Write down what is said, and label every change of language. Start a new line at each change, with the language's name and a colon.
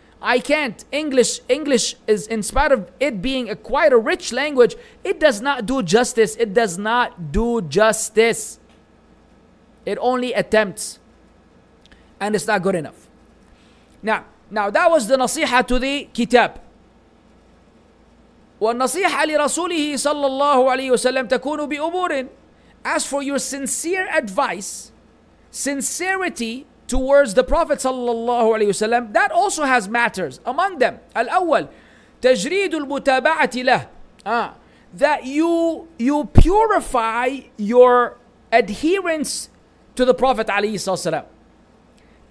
English: I can't. English is, in spite of it being a quite a rich language, it does not do justice. It does not do justice. It only attempts. And it's not good enough. Now that was the nasiha to the kitab.
Arabic: والنصيحة لرسوله صلى الله عليه وسلم تكون بأمور.
English: As for your sincere advice, sincerity towards the Prophet صلى الله عليه وسلم, that also has matters. Among them,
Arabic: الأول تجريد المتابعة له,
English: that you purify your adherence to the Prophet عليه الصلاة والسلام.